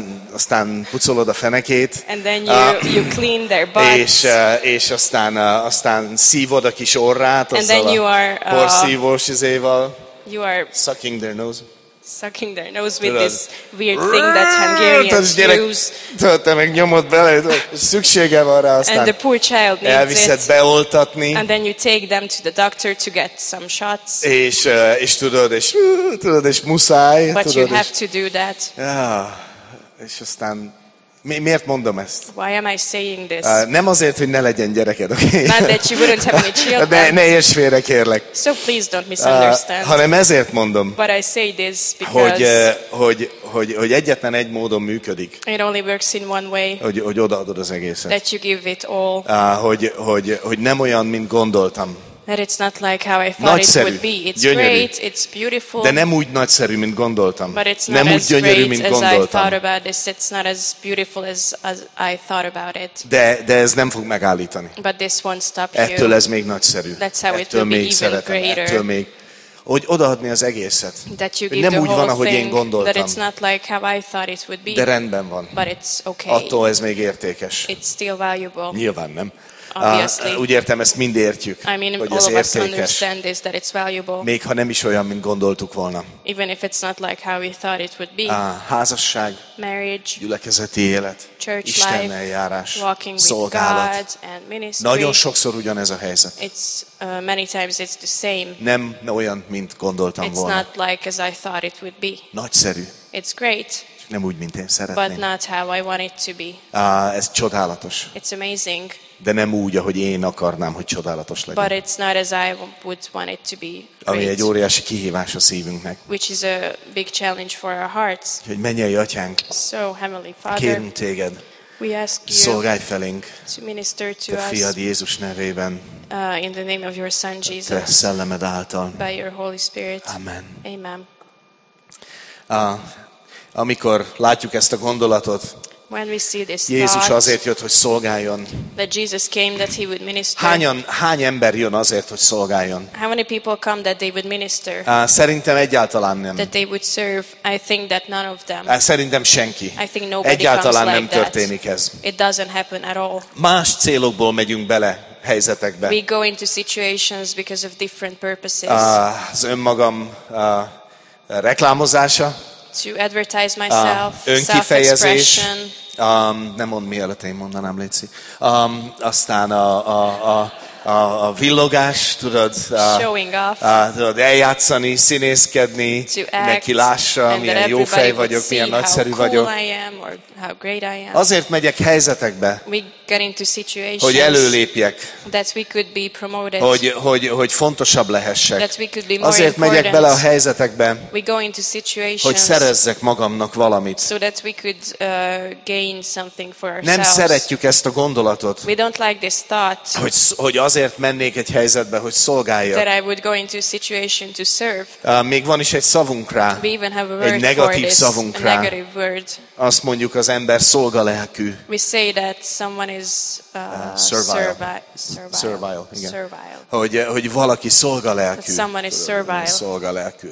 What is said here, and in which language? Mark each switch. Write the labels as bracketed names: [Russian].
[Hungarian] Aztán pucolod a fenekét. [English] And then you clean their butt. [Hungarian] És aztán szívod a kis orrát. [English] And then you are [Hungarian] porszívós izéval. [English] You are sucking their nose. Sucking their nose with this weird thing that Hungarians use. [Hungarian] Te meg nyomod bele, szüksége van rá aztán. [English] And the poor child needs it. [Hungarian] Elviszed beoltatni. [English] And then you take them to the doctor to get some shots. [Hungarian] És tudod, és muszáj. [English] But [Hungarian] tudod, [English] you have to do that. [Hungarian] És aztán miért mondom ezt? [English] Why am I saying this? [Hungarian] Nem azért, hogy ne legyen gyereked, okay? [English] Not that you wouldn't have any children. [Hungarian] De ne érts félre, kérlek. [English] So please don't misunderstand. [Hungarian] Hanem ezért mondom. [English] But I say this because [Hungarian] hogy egyetlen egy módon működik. [English] It only works in one way. [Hungarian] Hogy odaadod az egészet. [English] That you give it all. [Hungarian] Hogy nem olyan, mint gondoltam. [English] That it's not like how I thought nagyszerű, it would be. It's [Hungarian] gyönyörű, [English] great, it's beautiful. [Hungarian] De nem úgy nagyszerű, mint gondoltam. [English] But it's [Hungarian] nem [English] not [Hungarian] úgy gyönyörű, mint gondoltam. [English] As I thought about this, it's not as beautiful as I thought about it. [Hungarian] De ez nem fog megállítani. [English] But this won't stop you. [Hungarian] Ettől ez még nagyszerű. [English] That's how [Hungarian] ettől [English] it will [Hungarian] még [English] be even [Hungarian] szeretem, [English] greater. [Hungarian] Ettől még, hogy odaadni az egészet. [English] That you give [Hungarian] nem [English] the [Hungarian] úgy [English] whole [Hungarian] van, ahogy [English] thing, [Hungarian] én gondoltam. [English] That it's not like how I thought it would be. [Hungarian] De rendben van. [English] But it's okay. [Hungarian] Attól ez még értékes. [English] It's still valuable. [Hungarian] Nyilván nem. [English] Obviously. [Hungarian] Úgy értem, ezt mind értjük, [English] I mean, [Hungarian] hogy ez értékes. [English] This, that it's valuable. [Hungarian] Még ha nem is olyan, mint gondoltuk volna. [English] Even if it's not like how we thought it would be. [Hungarian] Házasság, [English] marriage, [Hungarian] gyülekezeti élet, [English] church [Hungarian] Istennel [English] life, [Hungarian] járás, [English] walking [Hungarian] szolgálat. [English] With God and ministry. [Hungarian] Nagyon sokszor ugyanez a helyzet. [English] It's, many times it's the same. [Hungarian] Nem olyan, mint gondoltam [English] it's [Hungarian] volna. [English] Not like as I thought it would be. [Hungarian] Nagyszerű. [English] It's great. [Hungarian] Nem úgy, mint én szeretném. [English] But not how I want it to be. [Hungarian] Ez csodálatos. [English] It's amazing. [Hungarian] De nem úgy, ahogy én akarnám, hogy csodálatos legyen. [English] But it's not as I would want it to be. [Hungarian] Ami egy óriási kihívás a szívünknek. [English] Which is a big challenge for our hearts. [Hungarian] Hogy mennyei atyánk. [English] So heavenly Father. [Hungarian] Kérünk téged. [English] We ask you. [Hungarian] Szolgálj felénk. [English] To minister to [Hungarian] te [English] us. [Hungarian] Fiad Jézus nevében. [English] In the name of your Son Jesus. [Hungarian] Te szellemed által. [English] By your Holy Spirit. [Hungarian] Amen. [English] Amen. [Hungarian] Amikor látjuk ezt a gondolatot, [English] when we see this [Hungarian] Jézus [English] thought, [Hungarian] azért jött, hogy szolgáljon. [English] That Jesus came that he would minister. [Hungarian] Hány ember jön azért, hogy szolgáljon? [English] How many people come that they would minister? [Hungarian] Szerintem egyáltalán nem. [English] That they would serve. I think that none of them. [Hungarian] Szerintem senki. [English] I think nobody [Hungarian] egyáltalán [English] comes [Hungarian] nem [English] like [Hungarian] történik [English] that. [Hungarian] Ez. [English] It doesn't happen at all. [Hungarian] Más célokból megyünk bele helyzetekbe. [English] We go into situations because of different purposes. [Hungarian] Az önmagam reklámozása. [English] To advertise myself, self-expression. [Hungarian] Nem mond mi előtt, én mondanám, léci. Aztán a villogás, tudod, [English] showing off. [Hungarian] Tudod eljátszani, színészkedni, [English] to act, [Hungarian] neki lássa, milyen jó fej vagyok, milyen nagyszerű [English] cool [Hungarian] vagyok. [English] I am or how great I am. [Hungarian] Azért megyek helyzetekbe, [English] we get into situations, [Hungarian] hogy előlépjek, [English] that we could be promoted, [Hungarian] hogy fontosabb lehessek. [English] That we could be more [Hungarian] azért megyek [English] important. [Hungarian] Bele a helyzetekbe, [English] we go into situations, [Hungarian] hogy szerezzek magamnak valamit. [English] So that we could, gain something for ourselves. [Hungarian] Nem szeretjük ezt a gondolatot, [English] we don't like this thought, [Hungarian] hogy azért mennék egy helyzetbe, hogy szolgáljak. [English] That I would go into a situation to serve. [Hungarian] Még van is egy szavunk rá. [English] We even have a word [Hungarian] egy negatív [English] for [Hungarian] szavunk [English] this, [Hungarian] rá. [English] A negative word. [Hungarian] Azt mondjuk, az ember szolgalelkű. [English] We say that someone is servile. Igen. Servile. [Hungarian] Hogy valaki szolgalelkű. [English] That someone is servile. [Hungarian] Szolgalelkű.